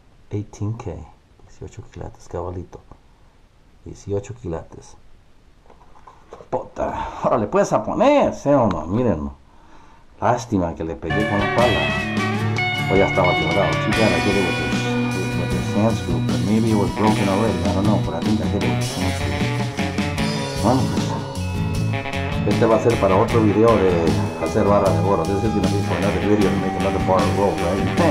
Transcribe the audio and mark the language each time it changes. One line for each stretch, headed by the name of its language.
Spanish: 18K. 18 quilates, cabalito. 18 quilates. Puta. Ahora le puedes a poner, ¿sí o no? Mírenlo. Lástima que le pegué con la pala. O ya estaba quebrado.
English: Too bad I hit it with the sand scoop. But maybe it was broken already. I don't know. But I think I hit it with the sand scoop.
Spanish: Bueno, pues. Este va a ser para otro video de hacer barras de oro.
English: This is going to be for another video to make another bar of gold, right?